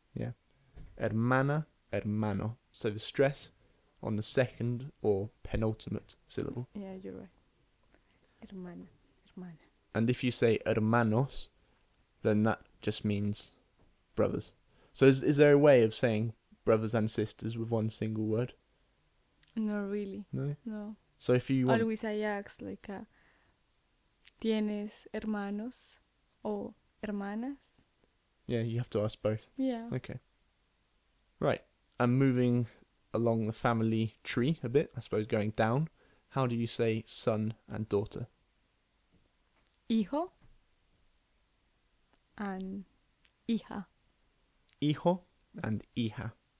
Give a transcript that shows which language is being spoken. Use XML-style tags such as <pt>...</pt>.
<en>Yeah. Hermana, hermano. So the stress on the second or penultimate syllable. Yeah, you're right. Hermana, hermana. And if you say hermanos, then that just means brothers. So is there a way of saying brothers and sisters with one single word? Not really. No? No. So if you want... Always I ask, like,</en> <es>¿tienes hermanos o hermanas?</es> <en>Yeah, you have to ask both. Yeah. Okay. Right. I'm moving along the family tree a bit, I suppose, going down. How do you say son and daughter? Hijo and hija. Hijo and hija.</en>